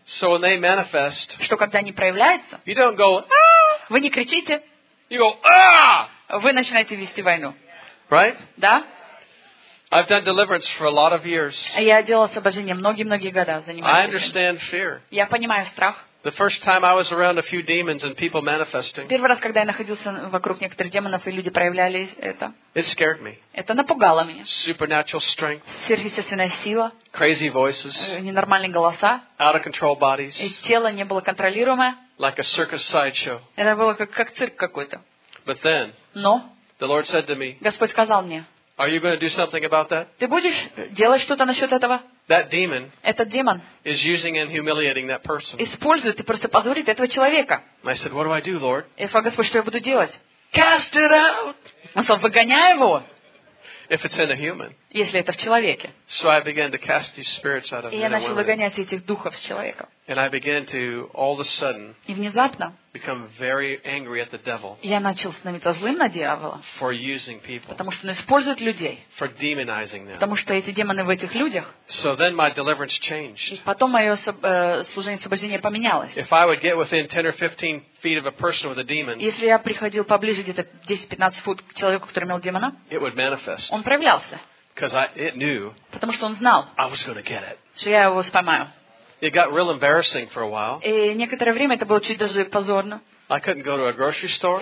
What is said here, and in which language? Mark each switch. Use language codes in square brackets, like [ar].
[en] So when they manifest. [ru] Что когда они проявляются? [en] You don't go. [ru] Вы не кричите. [en] You go. Ah! [ru] Вы начинаете вести войну. [en] Right? [ru] Да. [en] I've done deliverance for a lot of years. [ru] Я делал освобождение многие года, занимаюсь. [en] I understand fear. [ru] Я понимаю страх. [en] The first time I was around a few demons and people manifesting. [ru] Первый раз, когда я находился вокруг некоторых демонов и люди проявляли это. [en] It scared me. [ru] Это напугало меня. [en] Supernatural strength. [ru] Сверхъестественная сила. [en] Crazy voices. [ru] Ненормальные голоса. [en] Out of control bodies. [ru] И тело не было контролируемое. [en] Like a circus sideshow. [ru] Это было как цирк какой-то. [en] But then. [ru] Но. [en] The Lord said to me. [ru] Господь сказал мне. [en] Are you going to do something about that? [ru] Ты будешь делать что-то насчет этого? [en] That demon. [ru] Этот демон. [en] Is using and humiliating that person. [ru] Использует и просто позорит этого человека. [en] I said, what do I do, Lord? [ru] Я сказал, Господь, что я буду делать? [en] Cast it out. [ru] Он сказал, выгоняй его. [en] If it's in a human. [ru] Если это в человеке. [en] So I began to cast these spirits out of him. [ru] И я начал выгонять этих духов с человека. [en] And I began to all of a sudden. [ru] И внезапно. [en] Become very angry at the devil. [ru] Я начал становиться злым на дьявола. [en] For using people. [ru] Потому что он использует людей. [en] For demonizing them. [ru] Потому что эти демоны в этих людях. [en] So then my deliverance changed. [ru] И потом мое служение освобождения поменялось. [en] If I would get within 10 or 15 feet of a person with a demon. [ru] Если я приходил поближе где-то 10-15 фут к человеку, который имел демона. [en] It would manifest. [ru] Он проявлялся. [en] Because it knew. [ru] Потому что он знал. [en] I was going to get it. [ru] Что я его споймаю. [en] It got real embarrassing for a while. [ru] И некоторое время это было чуть даже позорно. [en] I couldn't go to a grocery store.